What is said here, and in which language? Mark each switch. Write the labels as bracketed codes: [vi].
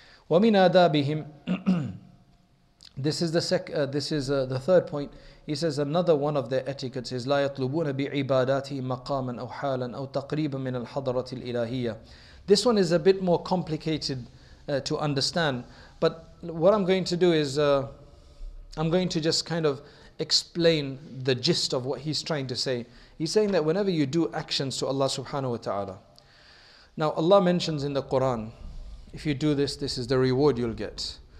[ar] وَمِنْ آدَابِهِمْ [en] This is the third point. He says another one of their etiquettes is [ar] لَا يَطْلُبُونَ بِعِبَادَاتِ مَقَامًا أَوْ حَالًا أَوْ تَقْرِيبًا مِنَ الْحَضَرَةِ الْإِلَهِيَّةِ. [en] This one is a bit more complicated to understand. But what I'm going to do is, I'm going to just kind of explain the gist of what he's trying to say. He's saying that whenever you do actions to Allah subhanahu wa ta'ala, now Allah mentions in the Quran, if you do this, this is the reward you'll get.